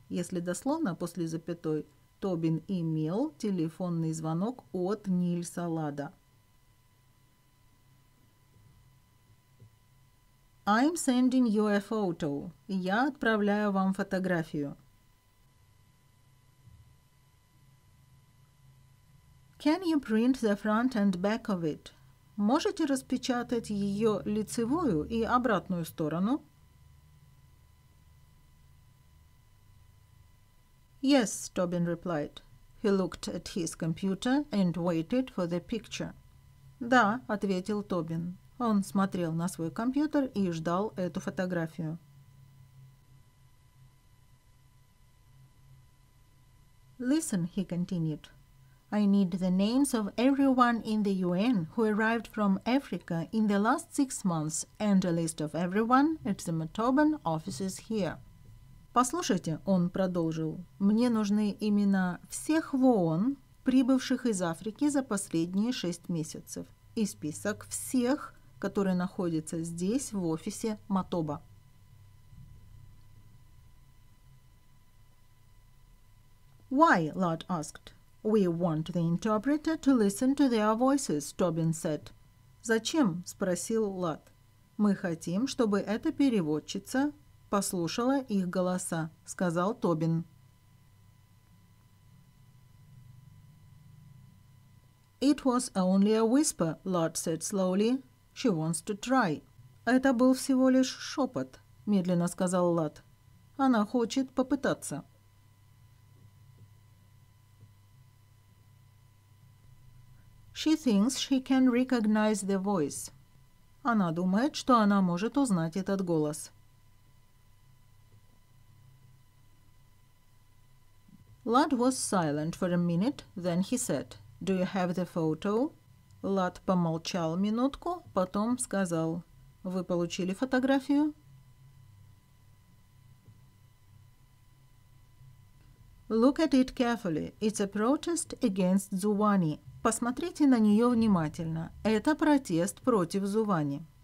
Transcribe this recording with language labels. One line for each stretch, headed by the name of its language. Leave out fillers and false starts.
Russian: Если дословно после запятой, Тобин имел телефонный звонок от Нильса Лада.
English: I'm sending you a photo.
Russian: Я отправляю вам фотографию.
English: Can you print the front and back of it?
Russian: Можете распечатать ее лицевую и обратную сторону?
English: Yes, Tobin replied. He looked at his computer and waited for the picture.
Russian: Да, ответил Тобин. Он смотрел на свой компьютер и ждал эту фотографию.
English: Listen, he continued. I need the names of everyone in the UN who arrived from Africa in the last 6 months and a list of everyone at the Matoban offices here.
Russian: Послушайте, он продолжил. Мне нужны имена всех в ООН, прибывших из Африки за последние 6 месяцев, и список всех, которые находятся здесь, в офисе Матоба.
English: Why? Lord asked. We want the interpreter to listen to their voices, Tobin said.
Russian: Зачем? Спросил Лат. Мы хотим, чтобы эта переводчица послушала их голоса, сказал Тобин.
English: It was only a whisper, Lot said slowly. She wants to try.
Russian: Это был всего лишь шепот, медленно сказал Лот. Она хочет попытаться.
English: She thinks she can recognize the voice.
Russian: Она думает, что она может узнать этот голос.
English: Lot was silent for a minute, then he said, Do you have the photo?
Russian: Лот помолчал минутку, потом сказал, Вы получили фотографию?
English: Look at it carefully. It's a protest against Zuwani.
Russian: Посмотрите на нее внимательно. Это протест против Зувани.